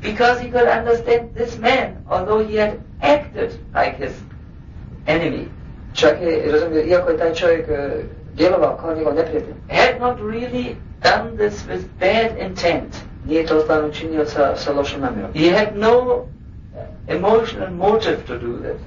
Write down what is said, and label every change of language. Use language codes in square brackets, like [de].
[en] Because he could understand this man, although he had acted like his enemy. [bs] Čak je razumio, iako je taj čovjek djelovao kao njegov neprijatelj. [en] Had not really done this with bad intent. [bs] Nije to stvarno učinio sa lošom namjerom. [en] He had no emotional motive to do that.